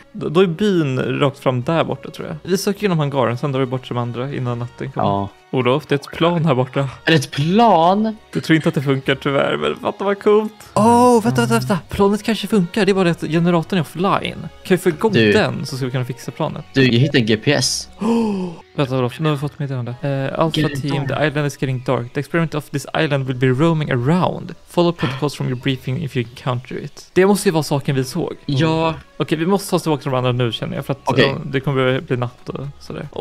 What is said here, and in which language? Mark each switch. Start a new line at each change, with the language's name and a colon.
Swedish: Då är byn rakt fram där borta, tror jag. Vi söker genom hangaren, sen drar vi bort de andra innan natten kommer. Olof, det är ett plan här borta. Är det ett plan? Du tror inte att det funkar tyvärr, men fatta vad coolt. Vänta. Planet kanske funkar, det är bara att generatorn är offline. Kan vi få igång den så ska vi kunna fixa planet. Du, jag hittar en GPS. Vänta Olof, nu har vi fått med det andra.
English: Alpha team, the island is getting dark. The experiment of this island will be roaming around. Follow protocols from your briefing if you encounter it.
Swedish: Det måste ju vara saken vi såg. Ja. Okej, vi måste ta oss tillbaka till de andra nu, känner jag. För att det kommer bli natt och sådär.